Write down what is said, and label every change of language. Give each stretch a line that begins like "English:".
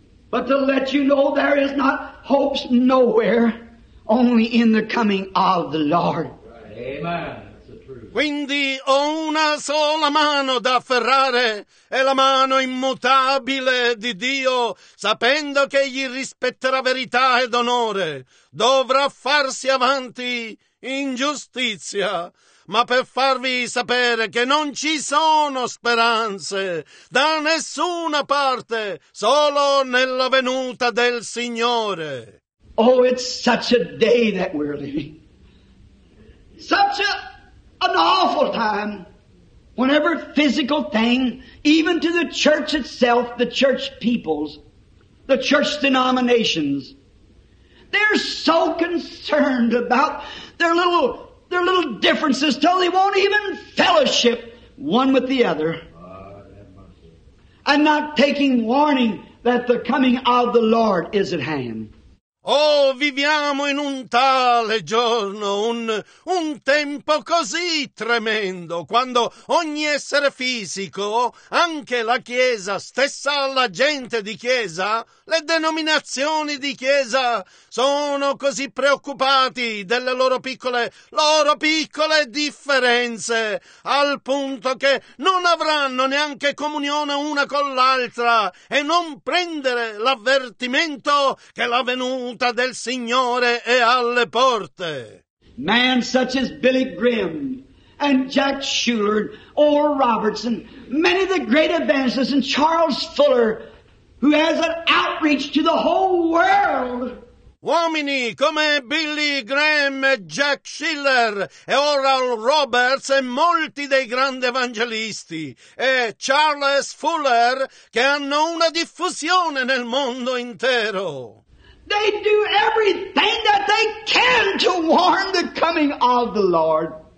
English: But to let you know there is not hopes nowhere, only in the coming of the Lord. Amen. That's the truth.
Italian: Quindi ho una sola mano da afferrare, è la mano immutabile di Dio, sapendo che egli rispetterà verità ed onore, dovrà farsi avanti ingiustizia, ma per farvi sapere che non ci sono speranze da nessuna parte, solo nella venuta del Signore.
English: Oh, it's such a day that we're living. Such an awful time. Whenever physical thing, even to the church itself, the church peoples, the church denominations, they're so concerned about their little differences till they won't even fellowship one with the other. And not taking warning that the coming of the Lord is at hand.
Italian: Oh, viviamo in un tale giorno, un tempo così tremendo, quando ogni essere fisico, anche la Chiesa stessa, la gente di Chiesa, le denominazioni di Chiesa, sono così preoccupati delle loro piccole differenze, al punto che non avranno neanche comunione una con l'altra, e non prendere l'avvertimento che la venuta del Signore è alle porte.
English: Men such as Billy Graham and Jack Schuller, Oral Robertson, many of the great evangelists, and Charles Fuller, who has an outreach to the whole world.
Italian: Uomini come Billy Graham, Jack Schiller e Oral Roberts e molti dei grandi evangelisti e Charles Fuller, che hanno una diffusione nel mondo intero.
English: They do everything that they can to warn the coming of the Lord.